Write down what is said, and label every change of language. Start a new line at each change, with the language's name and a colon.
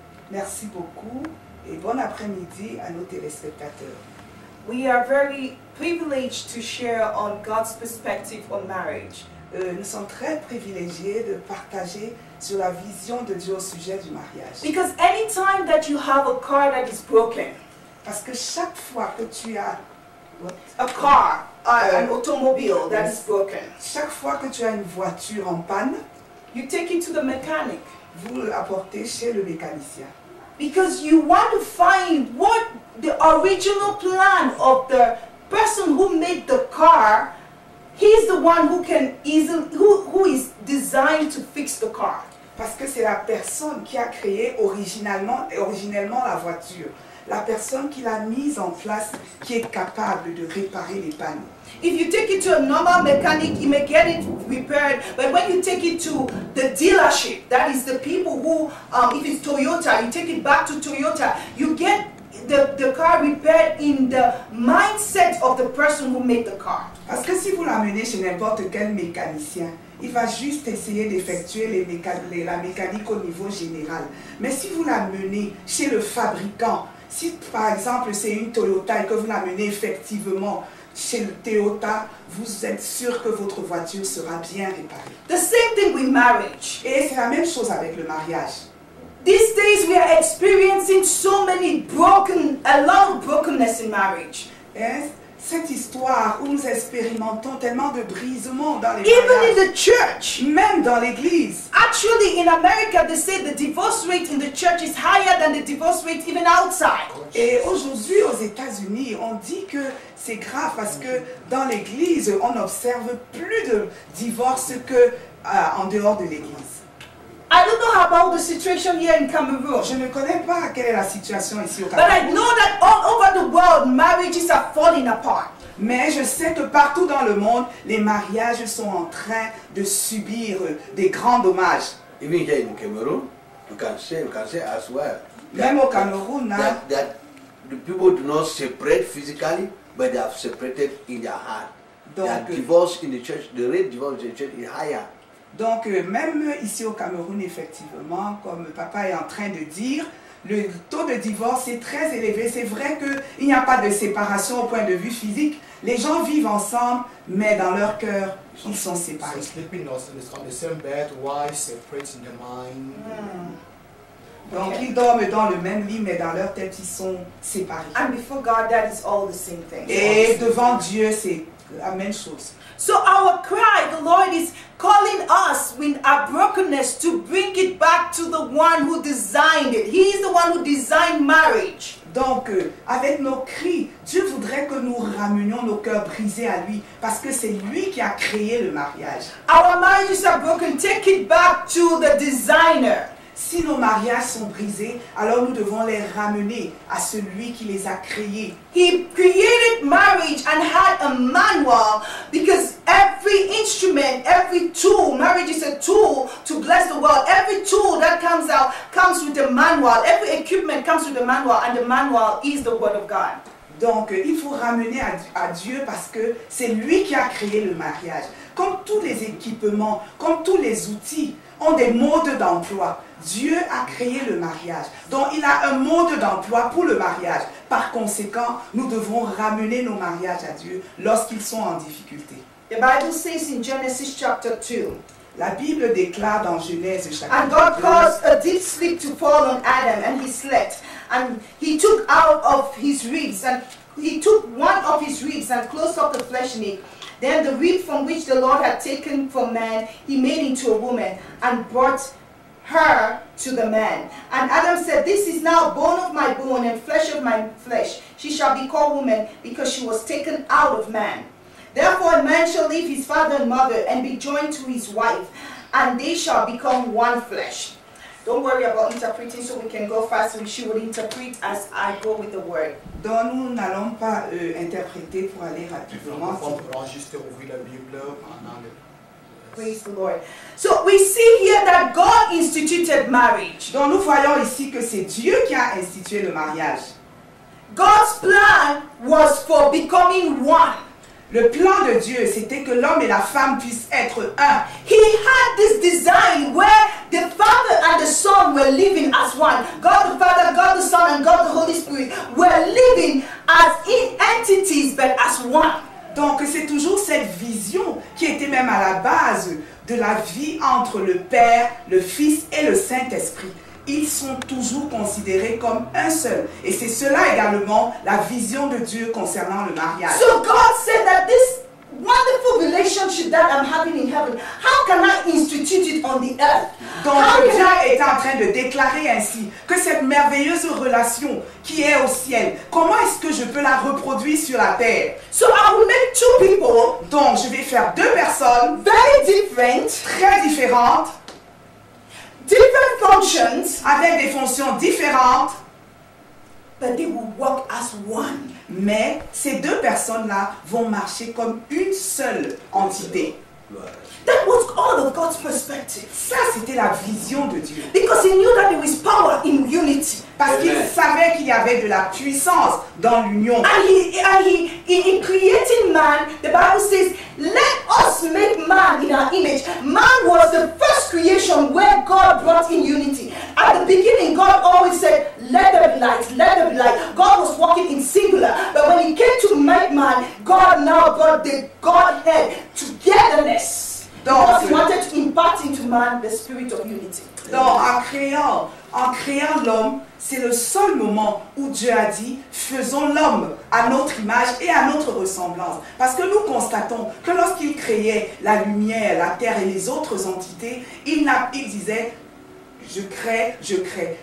French: Merci beaucoup et bon après-midi à nos téléspectateurs.
English: We are very privileged to share on God's perspective on marriage.
French: Nous sommes très privilégiés de partager sur la vision de Dieu au sujet du mariage.
English: Because any time that you have a car that is broken.
French: Parce que chaque fois que tu as
English: a car. An automobile that is broken.
French: Chaque fois que tu as une voiture en panne,
English: you take it to the mechanic.
French: Vous l'apportez chez le mécanicien.
English: Because you want to find what the original plan of the person who made the car, he's the one who can easily who is designed to fix the car.
French: Parce que c'est la personne qui a créé originellement la voiture. La personne qui l'a mise en place qui est capable de réparer les pannes.
English: If you take it to a normal mechanic, he may get it repaired. But when you take it to the dealership, that is the people who, if it's Toyota, you take it back to Toyota, you get the car repaired in the mindset of the person who made the car.
French: Parce que si vous l'amenez chez n'importe quel mécanicien, il va juste essayer d'effectuer la mécanique au niveau général. Mais si vous l'amenez chez le fabricant, si par exemple c'est une Toyota et que vous l'amenez effectivement chez le Toyota, vous êtes sûr que votre voiture sera bien réparée.
English: The same thing with marriage.
French: Et c'est la même chose avec le mariage.
English: These days we are experiencing so many broken, a lot of brokenness in marriage.
French: Et cette histoire où nous expérimentons tellement de brisements dans les
English: Even
French: mariages.
English: Even in the church.
French: Même dans l'église.
English: Actually, in America, they say the divorce rate in the church is higher than the divorce rate even outside.
French: Et aujourd'hui, aux États-Unis, on dit que c'est grave parce que dans l'église, on observe plus de divorces que en dehors de l'église.
English: I don't know about the situation here in Cameroon.
French: Je ne connais pas quelle est la situation ici au
English: Cameroun. But I know that all over the world, marriages are falling apart.
French: Mais je sais que partout dans le monde, les mariages sont en train de subir des grands dommages.
English: Even here in Cameroon, you can say as well.
French: Même au Cameroun,
English: that the people do not separate physically, but they have separated in their heart. Donc, the divorce in the church, the rate of divorce in the church is higher.
French: Donc, même ici au Cameroun, effectivement, comme papa est en train de dire, le taux de divorce est très élevé. C'est vrai qu'il n'y a pas de séparation au point de vue physique. Les gens vivent ensemble, mais dans leur cœur, ils sont séparés.
English: So sleeping on the same bed, why separate in the mind?
French: Donc, okay. Ils dorment dans le même lit, mais dans leur tête, ils sont séparés.
English: And before God, that is all the same thing.
French: Et devant Dieu, c'est la même chose.
English: So our cry, the Lord is calling us with our brokenness to bring it back to the one who designed it. He is the one who designed marriage.
French: Donc, avec nos cris, Dieu voudrait que nous ramenions nos cœurs brisés à lui, parce que c'est lui qui a créé le mariage.
English: Our marriages are broken. Take it back to the designer.
French: Si nos mariages sont brisés, alors nous devons les ramener à celui qui les a créés.
English: He created marriage and had a manual because every every instrument, every tool, marriage is a tool to bless the world. Every tool that comes out comes with a manual. Every equipment comes with a manual, and the manual is the word of God.
French: Donc, il faut ramener à Dieu parce que c'est lui qui a créé le mariage. Comme tous les équipements, comme tous les outils ont des modes d'emploi, Dieu a créé le mariage. Donc, il a un mode d'emploi pour le mariage. Par conséquent, nous devons ramener nos mariages à Dieu lorsqu'ils sont en difficulté.
English: The Bible says in Genesis chapter 2.
French: La Bible déclare dans Genèse chapitre 2.
English: And God caused a deep sleep to fall on Adam and he slept. And he took out of his ribs and he took one of his ribs and closed up the flesh in it. Then the rib from which the Lord had taken from man, he made into a woman and brought her to the man. And Adam said, "This is now bone of my bone and flesh of my flesh. She shall be called woman because she was taken out of man. Therefore a man shall leave his father and mother and be joined to his wife, and they shall become one flesh." Don't worry about interpreting so we can go fast and she will interpret as I go with the word.
French: Donc nous n'allons pas interpréter pour aller rapidement. On va juste ouvrir la Bible pendant le...
English: Praise the Lord. So we see here that God instituted marriage.
French: Donc nous voyons ici que c'est Dieu qui a institué le mariage.
English: God's plan was for becoming one.
French: Le plan de Dieu, c'était que l'homme et la femme puissent être un.
English: He had this design where the Father and the Son were living as one. God the Father, God the Son, and God the Holy Spirit were living as entities, but as one.
French: Donc, c'est toujours cette vision qui était même à la base de la vie entre le Père, le Fils et le Saint-Esprit. Ils sont toujours considérés comme un seul. Et c'est cela également la vision de Dieu concernant le mariage.
English: So God said that this wonderful relationship that I'm having in heaven, how can I institute it on the earth?
French: Donc Dieu est en train de déclarer ainsi que cette merveilleuse relation qui est au ciel, comment est-ce que je peux la reproduire sur la terre?
English: So I will make two people.
French: Donc je vais faire deux personnes
English: very different,
French: très différentes.
English: Different functions,
French: avec des fonctions différentes,
English: but they will work as one.
French: Mais ces deux personnes-là vont marcher comme une seule entité.
English: That was all of God's perspective.
French: Ça, c'était la vision de Dieu.
English: Because he knew that there was power in unity.
French: Parce qu'il savait qu'il y avait de la puissance dans l'union.
English: And he, in creating man, the Bible says, "Let us make man in our image." Man was the first creation where God brought in unity. At the beginning, God always said, "Let there be light, let there be light." God was working in singular. But when he came to make man, God now brought the Godhead togetherness. Because he wanted to impart into man the spirit of unity.
French: Donc, en créant l'homme, c'est le seul moment où Dieu a dit, faisons l'homme à notre image et à notre ressemblance. Parce que nous constatons que lorsqu'il créait la lumière, la terre et les autres entités, il disait, je crée.